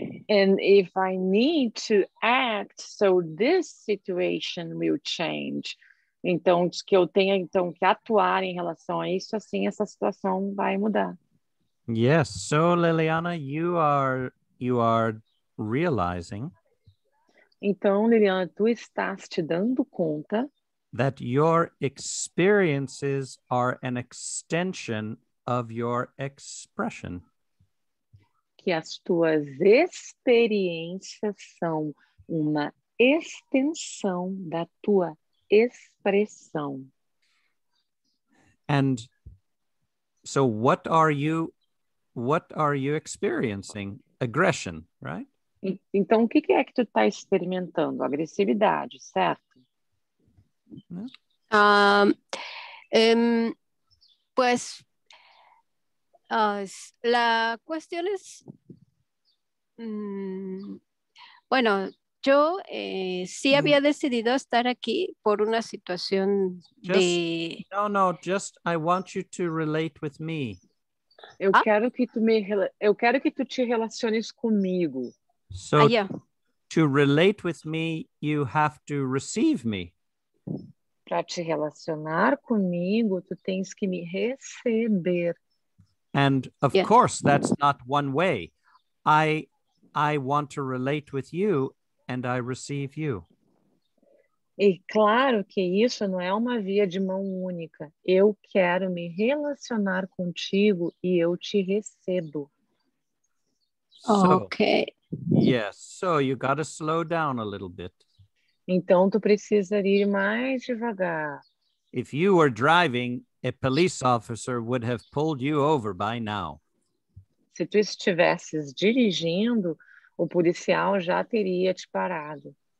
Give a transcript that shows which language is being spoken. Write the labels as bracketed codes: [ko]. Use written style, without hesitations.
[en] And if I need to act, so this situation will change. [pt] Então, que eu tenha então que atuar em relação a isso, assim essa situação vai mudar. [en] Yes, so Liliana, you are realizing. [pt] Então, Liliana, tu estás te dando conta [en] that your experiences are an extension of your expression. [pt] Que as tuas experiências são uma extensão da tua expressão. [en] And so what are you experiencing? Aggression, right? [pt] Então, o que é que tu está experimentando? Agressividade, certo? [es] La cuestión es, bueno, yo sí había decidido estar aquí por una situación de... [en] No, I want you to relate with me. [pt] Eu quero que tu te relaciones comigo. [en] So, to relate with me, you have to receive me. [pt] Para te relacionar comigo, tu tens que me receber. [en] And, of course, that's not one way. I want to relate with you, and I receive you. [pt] E claro que isso não é uma via de mão única. Eu quero me relacionar contigo, e eu te recebo. [en] So, okay. Yes, so you got to slow down a little bit. [pt] Então, tu precisa ir mais devagar. [en] If you were driving, a police officer would have pulled you over by now. [pt] Se tu estivesses dirigindo, o policial já teria te parado.